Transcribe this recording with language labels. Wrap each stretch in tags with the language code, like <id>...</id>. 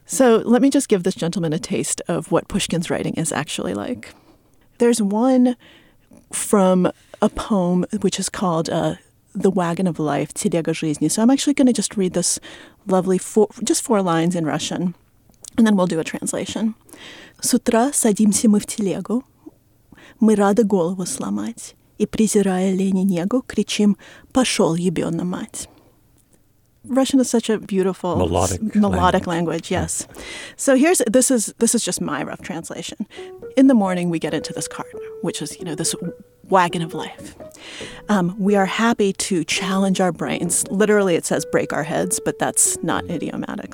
<en>So let me just give this gentleman a taste of what Pushkin's writing is actually like. There's one from a poem which is called The Wagon of Life, Telega Zhizni. So I'm actually going to just read this lovely four lines in Russian, and then we'll do a translation.</en> <ru>С утра садимся мы в телегу, мы рады голову сломать, и, презирая лень и негу, кричим, пошел ебёна мать.</ru> <en>Russian is such a beautiful melodic language. Yes. So this is just my rough translation. In the morning, we get into this cart, which is, you know, this wagon of life. We are happy to challenge our brains. Literally, it says break our heads, but that's not idiomatic.</en>